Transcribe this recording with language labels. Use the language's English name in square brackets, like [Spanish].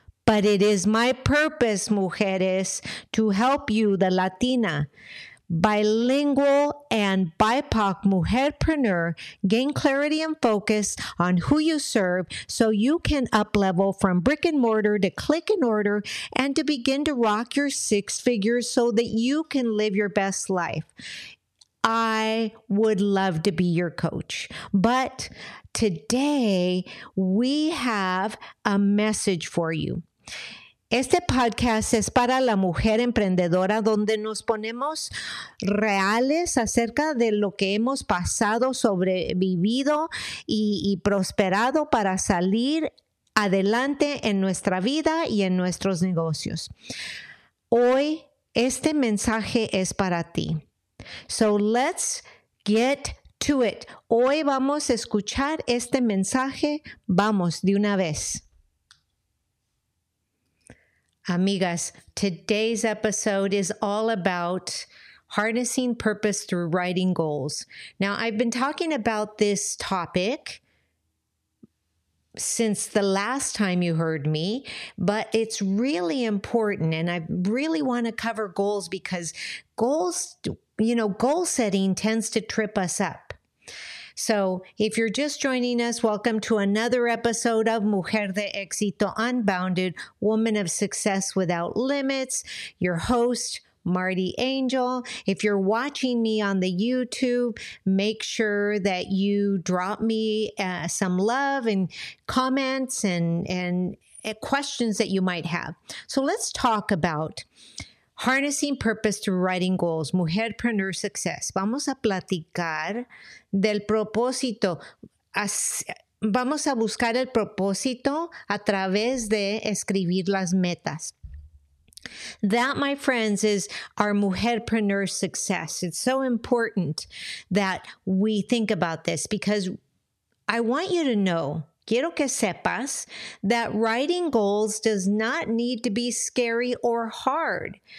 [English] But it is my purpose, mujeres, to help you, the Latina, bilingual and BIPOC mujerpreneur, gain clarity and focus on who you serve so you can up-level from brick and mortar to click and order and to begin to rock your six figures so that you can live your best life. I would love to be your coach, but today we have a message for you. [Spanish] Este podcast es para la mujer emprendedora donde nos ponemos reales acerca de lo que hemos pasado, sobrevivido y prosperado para salir adelante en nuestra vida y en nuestros negocios. Hoy este mensaje es para ti. [English] So let's get to it. [Spanish] Hoy vamos a escuchar este mensaje. Vamos de una vez. [English] Amigas, today's episode is all about harnessing purpose through writing goals. Now, I've been talking about this topic since the last time you heard me, but it's really important, and I really want to cover goals because goals, you know, goal setting tends to trip us up. So if you're just joining us, welcome to another episode of Mujer de Éxito Unbounded, Woman of Success Without Limits, your host, Marti Ángel. If you're watching me on the YouTube, make sure that you drop me some love and comments and questions that you might have. So let's talk about harnessing purpose through writing goals, mujerpreneur success. [Spanish] Vamos a platicar del propósito. Vamos a buscar el propósito a través de escribir las metas. [English] That, my friends, is our mujerpreneur success. It's so important that we think about this because I want you to know, [Spanish] quiero que sepas, [English] that writing goals does not need to be scary or hard.